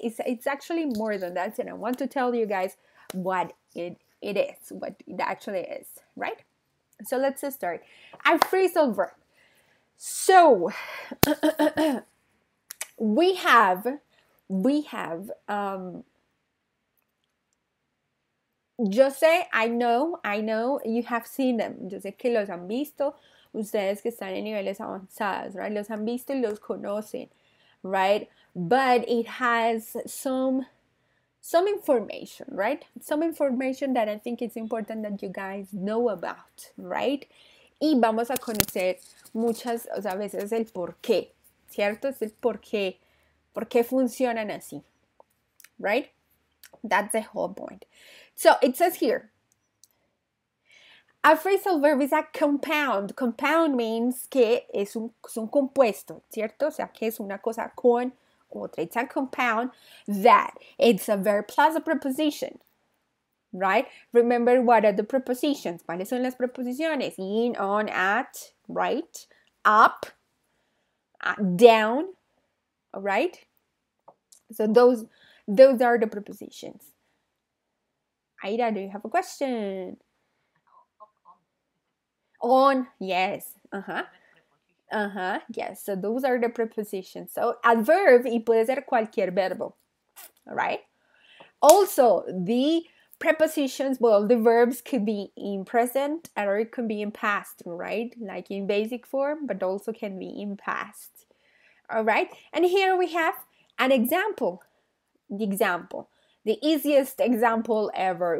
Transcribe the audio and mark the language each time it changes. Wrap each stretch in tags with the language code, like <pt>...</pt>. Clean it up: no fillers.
<en>It's actually more than that, and I want to tell you guys what it is, what it actually is, right? So let's start. A phrasal verb. So we have José, I know, you have seen them.</en> <es>Yo sé que los han visto, ustedes que están en niveles avanzados, right? Los han visto y los conocen,</es> <en>right? But it has some information, right? Some information that I think it's important that you guys know about, right?</en> <es>Y vamos a conocer muchas, o sea, a veces el por qué, ¿cierto? Es el por qué funcionan así, right?</es> <en>That's the whole point. So it says here, A phrasal verb is a compound. Compound means</en> <es>que es un compuesto, ¿cierto? O sea, que es una cosa con otra.</es> <en>It's a compound that it's a verb plus a preposition, right? Remember, what are the prepositions?</en> <es>¿Cuáles son las preposiciones?</es> <en>In, on, at, right, up, down, all right? So those are the prepositions. Aida, do you have a question? On, yes, yes, so those are the prepositions. So adverb,</en> <es>y puede ser cualquier verbo,</es> <en>all right? Also, the prepositions, well, the verbs could be in present or it could be in past, right? Like in basic form, but also can be in past, all right? And here we have an example, the easiest example ever.</en>